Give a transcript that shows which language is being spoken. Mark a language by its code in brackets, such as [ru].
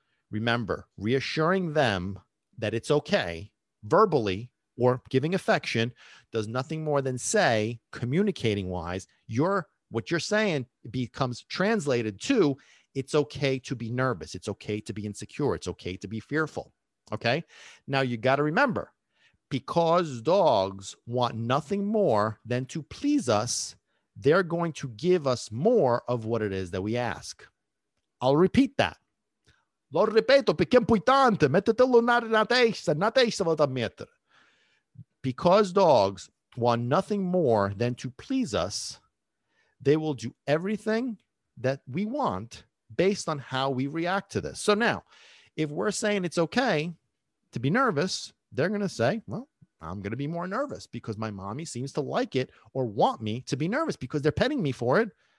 [en] Remember, reassuring them that it's okay verbally or giving affection does nothing more than say, communicating wise, what you're saying becomes translated to, it's okay to be nervous. It's okay to be insecure. It's okay to be fearful. Okay. Now you got to remember, because dogs want nothing more than to please us, they're going to give us more of what it is that we ask. I'll repeat that. [it] Lo ripeto, perché è importante, mettetelo nella testa, volta a mettere. [en] Because dogs want nothing more than to please us, they will do everything that we want based on how we react to this. So now, if we're saying it's okay to be nervous, they're going to say, well, I'm going to be more nervous because my mommy seems to like it or want me to be nervous because they're petting me for it.